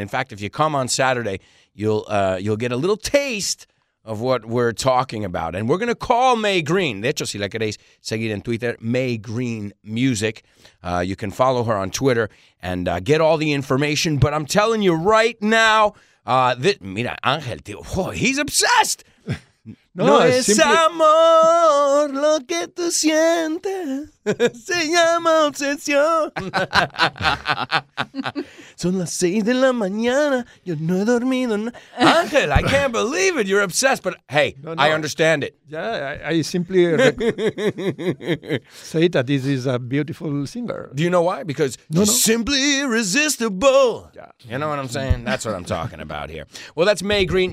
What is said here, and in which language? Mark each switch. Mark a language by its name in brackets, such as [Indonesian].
[English] In fact, if you come on Saturday, you'll get a little taste of what we're talking about. And we're going to call [Spanish] May Green. De hecho, si la queréis seguir en Twitter, May Green Music. [English] You can follow her on Twitter and get all the information, but I'm telling you right now, [Spanish] mira, Ángel, tío, [English] he's obsessed. [Spanish] No es [English] simply... [Spanish] amor lo que tú sientes, se llama obsesión. Son las 6 de la mañana, yo no he dormido. [English] Ángel, I can't believe it, you're obsessed, but hey, [Spanish] no. [English] I understand it. Yeah, I simply say that this is a beautiful singer. Do you know why? Because simply irresistible. Yeah. You know what I'm saying? That's what I'm talking about here. Well, that's May Green.